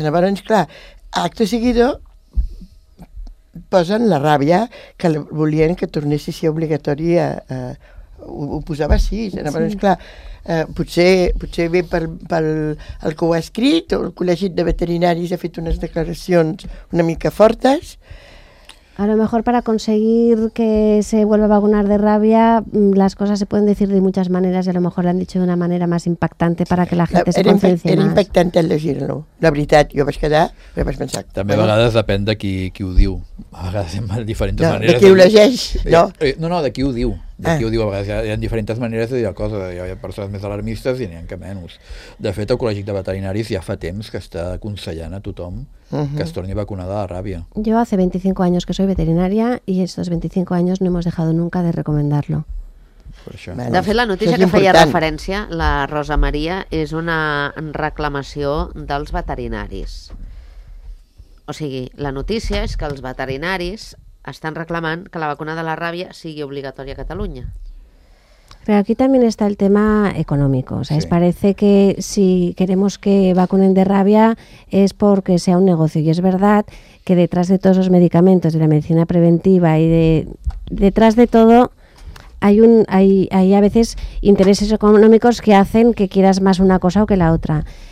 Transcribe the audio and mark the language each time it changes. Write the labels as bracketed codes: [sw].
[ca] Llavors, clar, [es] acto seguido [ca] posen la ràbia, que volien que tornessi a ser obligatòria. Ho posava així. Llavors, sí. Clar, potser ve pel el que ho ha escrit, o el Col·legi de Veterinaris ha fet unes declaracions una mica fortes. [es] A lo mejor para conseguir que se vuelva a vacunar de rabia, las cosas se pueden decir de muchas maneras, y a lo mejor lo han dicho de una manera más impactante para que la gente se conciencie más. Era impactante al decirlo. [ca] La veritat, jo vaig quedar, jo vaig pensar... També a vegades depèn de qui ho diu. A vegades hi ha diferents maneres... No, de qui ho llegeix, no? No, de qui ho diu. A vegades hi ha diferents maneres de dir coses. Hi ha persones més alarmistes i n'hi ha que menys. De fet, el Col·legi de Veterinaris ja fa temps que està aconsellant a tothom que es torni vacunada a la ràbia. [es] Yo hace 25 años que soy veterinaria y estos 25 años no hemos dejado nunca de recomendarlo. [ca] De fet, la notícia que feia referència la Rosa Maria és una reclamació dels veterinaris. O sigui, la notícia és que els veterinaris estan reclamant que la vacuna de la ràbia sigui obligatòria a Catalunya. [es] Pero aquí también está el tema económico, ¿sabes? Sí. Parece que si queremos que vacunen de rabia es porque sea un negocio, y es verdad que detrás de todos los medicamentos, de la medicina preventiva y de detrás de todo hay a veces intereses económicos que hacen que quieras más una cosa o que la otra.